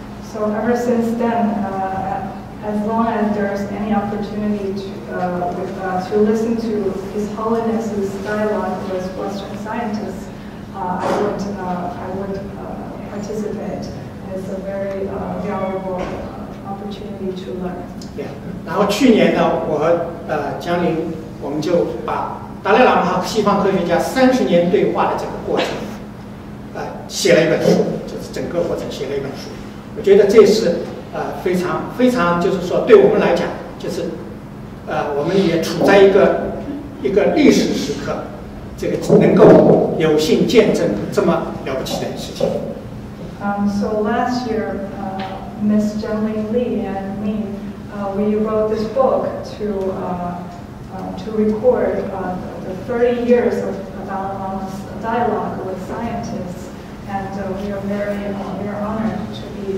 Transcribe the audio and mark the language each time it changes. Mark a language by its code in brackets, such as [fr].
[en] So, ever since then. As long as there's any opportunity to listen to His Holiness's dialogue with Western scientists, I would participate. It's a very valuable opportunity to learn. Yeah. [zh] 然后去年呢，我和江林，我们就把达赖喇嘛和西方科学家30年对话的这个过程，写了一本书，就是整个过程写了一本书。我觉得这是。非常非常，就是说，对我们来讲，就是，我们也处在一个历史时刻，这个能够有幸见证这么了不起的事情。 [en] So last year, Ms. Jenny Lee and me, we wrote this book to record the 30 years of Dalai Lama's dialogue with scientists, and we are honored to.